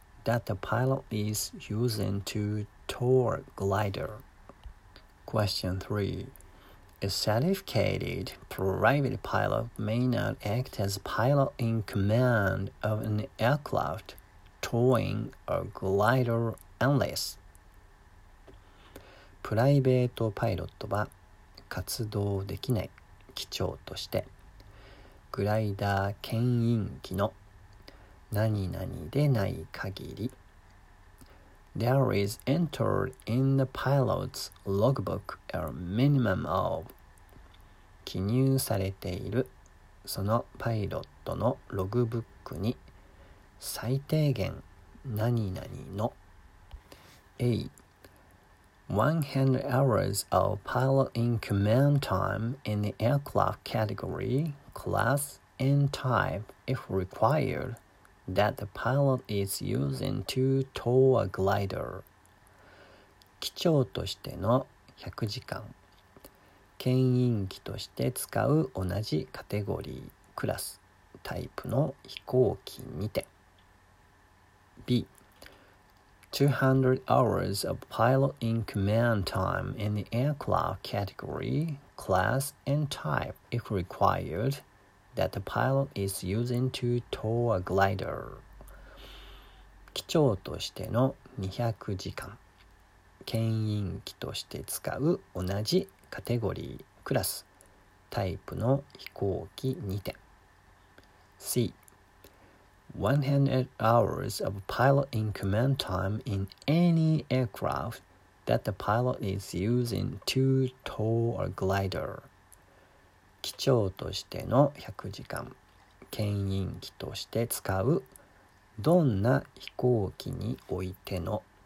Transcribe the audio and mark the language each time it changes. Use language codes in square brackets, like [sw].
[en] That the pilot is using to tow a glider. Question 3. A certificated private pilot may not act as pilot in command of an aircraft towing a glider unless [ja] プライベートパイロットは活動できない機長としてグライダー牽引機の何々でない限り [en] There is entered in the pilot's logbook a minimum of [ja] 記入されているそのパイロットのログブックに最低限何々の [en] A. 100 hours of pilot in command time in the aircraft category, class, and type if requiredthat the pilot is using to tow a glider. [ja] 機長としての100時間、牽引機として使う同じカテゴリー、クラス、タイプの飛行機にて。 [en] B. 200 hours of pilot in command time in the aircraft category, class, and type, if required,that the pilot is using to tow a glider. [ja] 機長としての200時間、牽引機として使う同じカテゴリー、クラス、タイプの飛行機にて。 [en] C. 100 hours of pilot in command time in any aircraft that the pilot is using to tow a glider. [ja] 機長としての100時間、牽引機として使う、どんな飛行機においての。